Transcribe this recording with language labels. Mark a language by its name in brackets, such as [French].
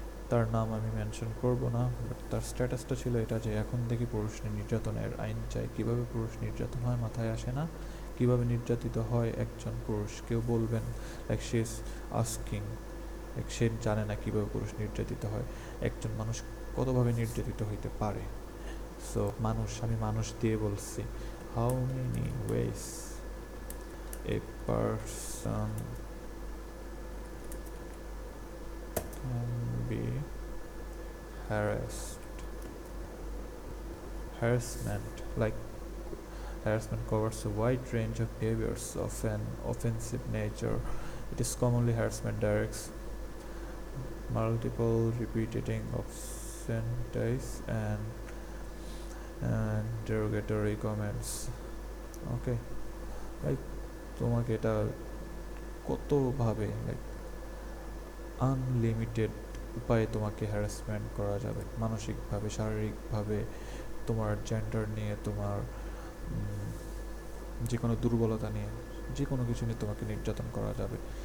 [Bangla] তার নাম আমি মেনশন করব না, বাট তার স্ট্যাটাসটা ছিল এটা যে এখন দেখি পুরুষ নির্যাতনের আইন চাই, কীভাবে পুরুষ নির্যাতন হয় মাথায় আসে না, কীভাবে নির্যাতিত হয় একজন পুরুষ কেউ বলবেন, [English] like she is asking, [Bangla] like সে জানে না কীভাবে পুরুষ নির্যাতিত হয়, একজন মানুষ কতভাবে নির্যাতিত হইতে পারে। [English] so [Bangla] মানুষ, আমি মানুষ দিয়ে বলছি, [English] How many ways a person be harassed, harassment, like harassment covers a wide range of behaviors of an offensive nature. It is commonly harassment directs multiple repeating of sentences and derogatory comments. [Bangla] Okay, like তোমাকে এটা কতভাবে, like unlimited উপায়ে তোমাকে harassment করা যাবে, মানসিকভাবে, শারীরিকভাবে, তোমার জেন্ডার নিয়ে, তোমার যে কোনো দুর্বলতা নিয়ে, যে কোনো কিছু নিয়ে তোমাকে নির্যাতন করা যাবে।